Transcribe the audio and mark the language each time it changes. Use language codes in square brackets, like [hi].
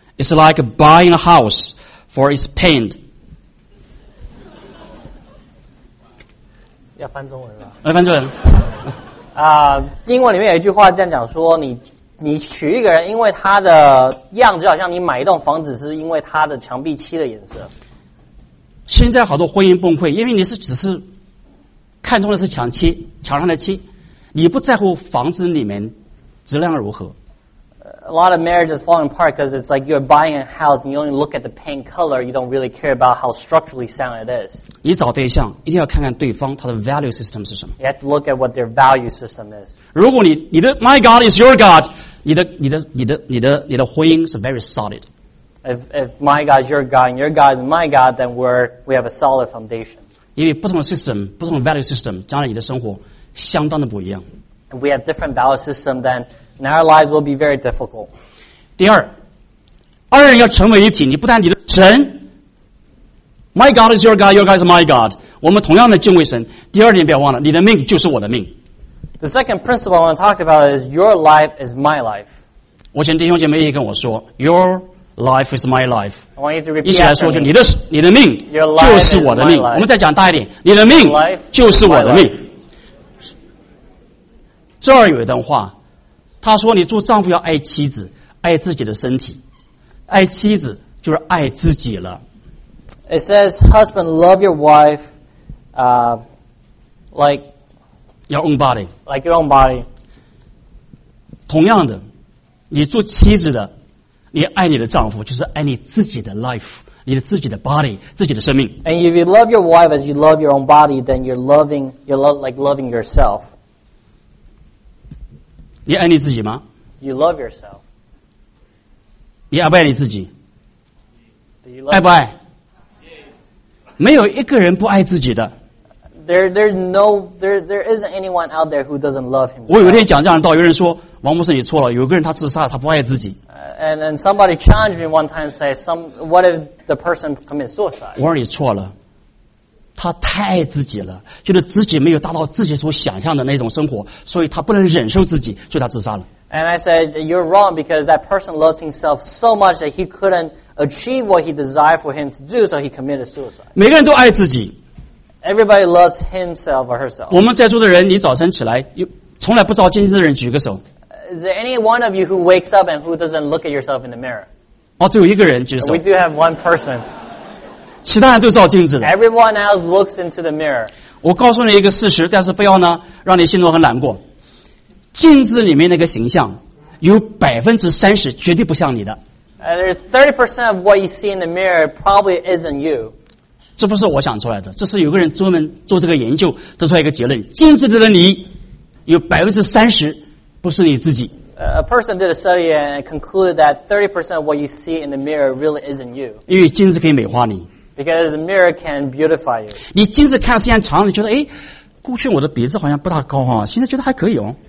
[en] It's like buying a house for its paint. [zh] 要翻中文吧？来翻中文。英文里面有一句话这样讲说：你娶一个人，因为他的样子，好像你买一栋房子是因为他的墙壁漆的颜色。现在好多婚姻崩溃，因为你只是看中的是墙漆，墙上的漆，你不在乎房子里面质量如何。 [en] A lot of marriages fall apart because it's like you're buying a house and you only look at the paint color. You don't really care about how structurally sound it is. [zh] 你找对象一定要看看对方他的 value system 是什么。 [en] You have to look at what their value system is. [zh] 如果你的 [en] my God is your God, [zh] 你的婚姻是 [en] very solid. If my God is your God and your God is my God, then we have a solid foundation. [zh] 因为不同的 system, 不同的 value system, 将来你的生活相当的不一样。 [en] If we have different value system, then And our lives will be very difficult. [zh] 第二，二人要成为一体。你不但你的神 [en] ，My God is your God, your God is my God. [zh] 我们同样的敬畏神。第二点，不要忘了，你的命就是我的命。 [en] The second principle I want to talk about is your life is my life. [zh] 我请弟兄姐妹也跟我说 ， [en] Your life is my life. I want you to repeat. [zh] 一起来说，就你的命就是我的命。我们再讲大一点，你的命就是我的命。这儿有一段话。他说你做丈夫要爱妻子爱自己的身体爱妻子就是爱自己了 [en] It says husband love your wife like your own body like your own body [zh] 同样的你做妻子的你爱你的丈夫就是爱你自己的 life 你的自己的 body 自己的生命 [en] And if you love your wife as you love your own body then you're loving yourself [zh] 你爱你自己吗 [en] You love yourself. [zh] 你爱不爱你自己 [en] Do you love [zh] 爱不爱、yes. 没有一个人不爱自己的 [en] There isn't anyone out there who doesn't love himself. [zh] 我有一天讲这样的道有人说王牧师你错了有个人他自杀他不爱自己、 [en] And somebody challenged me one time and said, what if the person commits suicide? [zh] 我说你错了他太爱自己了觉得自己没有达到自己所想象的那种生活所以他不能忍受自己所以他自杀了 [en] And I said you're wrong because that person loves himself so much that he couldn't achieve what he desired for him to do so he committed suicide [zh] 每个人都爱自己 [en] Everybody loves himself or herself [zh] 我们在座的人你早晨起来从来不照镜子的人举个手 [en] Is there any one of you who wakes up and who doesn't look at yourself in the mirror [zh] 哦，只有一个人举手 [en] We do have one person [zh] 其他人都照镜子的。 [en] Everyone else looks into the mirror. [zh] 我告诉你一个事实，但是不要呢，让你心中很难过。镜子里面那个形象，有30%绝对不像你的。 [en] There's 30% of what you see in the mirror probably isn't you. [zh] 这不是我想出来的，这是有个人专门做这个研究得出来一个结论：镜子里的你，有30%不是你自己。 [en] A person did a study and concluded that 30% of what you see in the mirror really isn't you. [zh] 因为镜子可以美化你。 [en] Because the mirror can beautify you. [zh] 你镜子看时间长，你觉得哎，过去我的鼻子好像不大高哈，现在觉得还可以哦。